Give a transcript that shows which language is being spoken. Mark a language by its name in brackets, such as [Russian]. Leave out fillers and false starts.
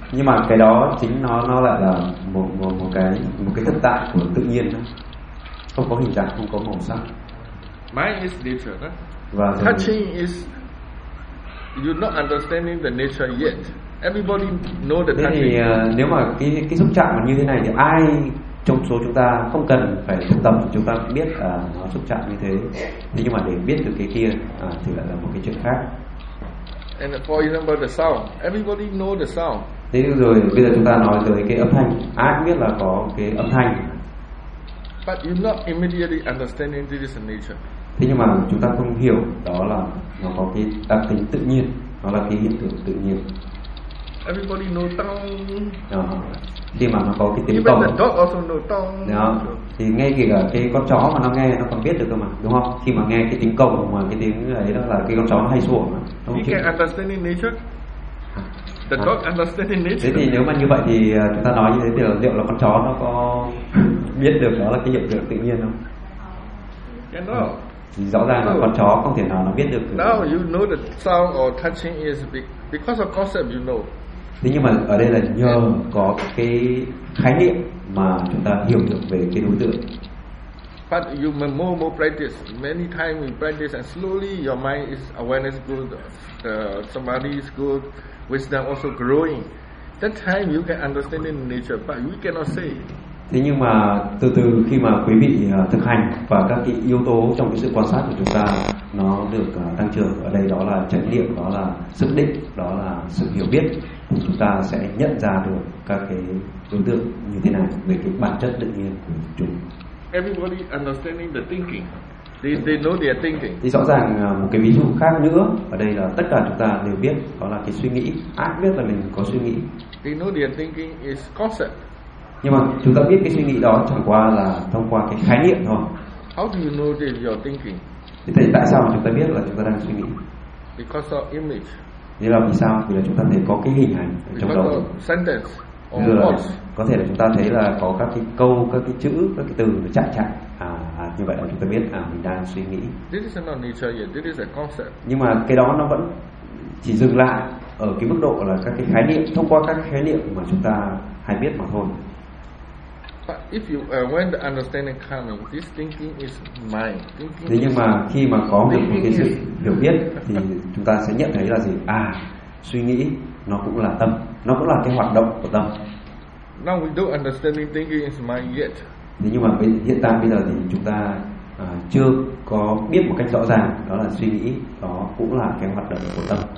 [Vietnamese] Nhưng mà cái đó chính nó lại là một cái thực tại của tự nhiên đó. Không có hình dạng, không có màu sắc. [English] Mind is nature. Right? [Vietnamese] Và [English] touching is you're not understanding the nature yet. Everybody know the touching. [Vietnamese] Thế thì nếu mà cái xúc chạm như thế này thì ai trong số chúng ta không cần phải thực tập, chúng ta biết nó xúc chạm như thế. Thế nhưng mà để biết được cái kia thì lại là một cái chuyện khác. [English] And for example the sound, everybody know the sound. [Vietnamese] Thế rồi bây giờ chúng ta nói tới cái âm thanh, ai cũng biết là có cái âm thanh. [English] But you're not immediately understanding this is nature. [Vietnamese] Thế nhưng mà chúng ta không hiểu đó là nó có cái đặc tính tự nhiên, nó là cái hiện tượng tự nhiên. [English] Everybody know tong. [Vietnamese] Khi mà nó có cái tiếng [English] tong. Even the dog also know tong. [Vietnamese] Thì ngay kể cả cái con chó mà nó nghe nó còn biết được cơ mà, đúng không? Khi mà nghe cái tiếng cồng mà cái tiếng ấy đó là cái con chó nó hay sủa mà. [English] He can understand in nature. The dog understand in nature. [Vietnamese] Thế thì nếu mà như vậy thì chúng ta nói như thế thì liệu là con chó nó có biết được đó là cái hiện tượng tự nhiên không? Thì rõ ràng là con chó không thể nào nó biết được. [English] Now you know the sound or touching is because of concept you know. [Vietnamese] Thế nhưng mà ở đây là nhờ có cái khái niệm mà chúng ta hiểu được về cái đối tượng. [English] But you may more practice, many times you practice and slowly your mind is awareness good, samadhi is good, wisdom also growing. That time you can understand in nature, but we cannot say. [Vietnamese] Thế nhưng mà từ từ khi mà quý vị thực hành và các cái yếu tố trong cái sự quan sát của chúng ta nó được tăng trưởng, ở đây đó là chánh niệm, đó là sức định, đó là sự hiểu biết, thì chúng ta sẽ nhận ra được các cái đối tượng như thế nào về cái bản chất tự nhiên của chúng. [English] Everybody understanding the thinking. They know their thinking. [Vietnamese] Thì rõ ràng một cái ví dụ khác nữa, ở đây là tất cả chúng ta đều biết đó là cái suy nghĩ, ai biết là mình có suy nghĩ. [English] They know their thinking is concept. [Vietnamese] Nhưng mà chúng ta biết cái suy nghĩ đó chẳng qua là thông qua cái khái niệm thôi. [English] How do you know that you're thinking? [Vietnamese] Thì tại sao chúng ta biết là chúng ta đang suy nghĩ? [English] Because of image. [Vietnamese] Thế là vì sao? Vì là chúng ta thấy có cái hình ảnh trong đầu. [English] Sentence or words. [Vietnamese] Có thể là chúng ta thấy là có các cái câu, các cái chữ, các cái từ nó chạm chạm. Như vậy là chúng ta biết mình đang suy nghĩ. [English] This is not nature yet. This is a concept. [Vietnamese] Nhưng mà cái đó nó vẫn chỉ dừng lại ở cái mức độ là các cái khái niệm, thông qua các khái niệm mà chúng ta hay biết mà thôi. [English] But if you when the understanding coming, this thinking is mind. [Vietnamese] Thế nhưng mà khi mà có được một cái sự hiểu biết thì chúng ta sẽ nhận thấy là gì? Suy nghĩ nó cũng là tâm, nó cũng là cái hoạt động của tâm. [English] Now we don't understanding thinking is mind yet. [Vietnamese] Thế nhưng mà hiện tại bây giờ thì chúng ta chưa có biết một cách rõ ràng đó là suy nghĩ đó cũng là cái hoạt động của tâm.